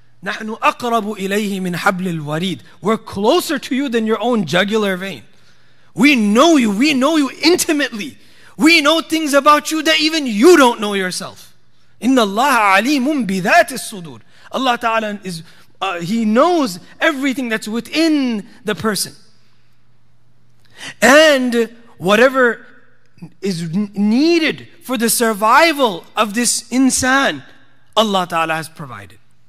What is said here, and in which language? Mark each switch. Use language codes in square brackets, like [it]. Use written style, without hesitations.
[ar] نحن أقرب إليه من حبل الوريد. [en] We're closer to you than your own jugular vein. We know you. We know you intimately. We know things about you that even you don't know yourself. [ar] إن الله عليم بذات الصدور. [en] Allah Ta'ala is He knows everything that's within the person. And whatever is needed for the survival of this insan, Allah Ta'ala has provided.